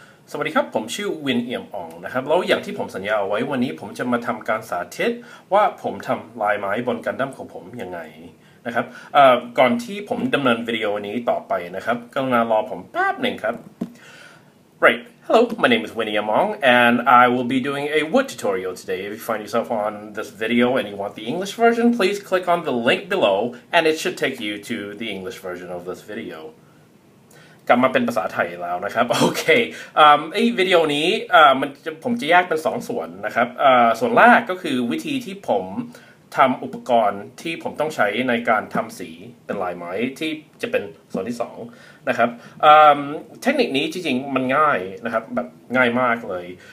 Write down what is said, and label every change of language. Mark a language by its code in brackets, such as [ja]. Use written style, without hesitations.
[th] สวัสดีครับผมชื่อเวียนเอี่ยมอ่องนะครับแล้วอย่างที่ผมสัญญาเอาไว้วันนี้ผมจะมาทำการสาธิตว่าผมทำลายไม้บนกันดั้มของผมยังไงนะครับก่อนที่ผมดำเนินวิดีโอนี้ต่อไปนะครับกรุณารอผมแป๊บหนึ่งครับ [en] Right. Hello, my name is Winnie Among, and I will be doing a wood tutorial today. If you find yourself on this video and you want the English version, please click on the link below, and it should take you to the English version of this video. [th] กลับมาเป็นภาษาไทยแล้วนะครับโอเคไอ้วิดีโอนี้ผมจะแยกเป็น2ส่วนนะครับส่วนแรกก็คือวิธีที่ผมทำอุปกรณ์ที่ผมต้องใช้ในการทำสีเป็นลายไม้ที่จะเป็นส่วนที่2นะครับเทคนิคนี้จริงๆมันง่ายนะครับแบบง่ายมากเลย